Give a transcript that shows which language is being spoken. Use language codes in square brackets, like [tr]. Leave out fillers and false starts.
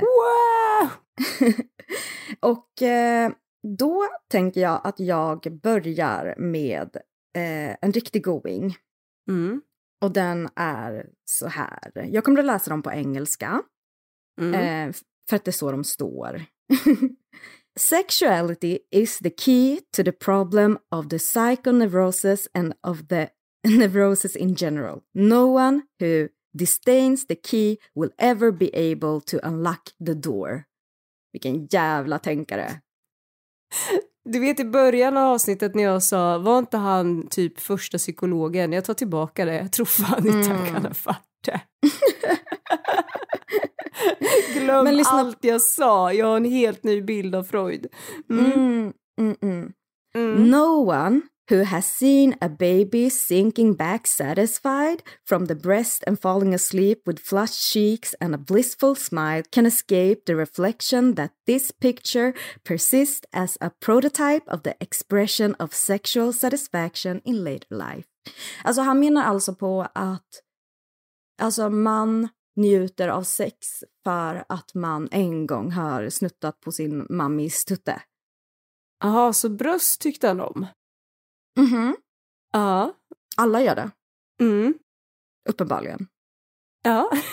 [sv] Wow! Och då tänker jag att jag börjar med en riktig going. Mm. Och den är så här. Jag kommer att läsa dem på engelska. Mm. För att det är så de står. [en] Sexuality is the key to the problem of the psychoneurosis and of the neurosis in general. No one who disdains the key will ever be able to unlock the door. [sv] Vilken jävla tänkare. Du vet i början av avsnittet när jag sa, var inte han typ första psykologen? Jag tar tillbaka det. Jag tror fan inte han kan ha fatt det. Glöm men lyssna... allt jag sa. Jag har en helt ny bild av Freud. [en] No one who has seen a baby sinking back satisfied from the breast and falling asleep with flushed cheeks and a blissful smile can escape the reflection that this picture persists as a prototype of the expression of sexual satisfaction in later life. [sv] Alltså han menar alltså på att alltså man njuter av sex för att man en gång har snuttat på sin mammis tutte. Jaha, så bröst tyckte han om? Mhm. Ja. Alla gör det. Mm. Uppenbarligen. Ja.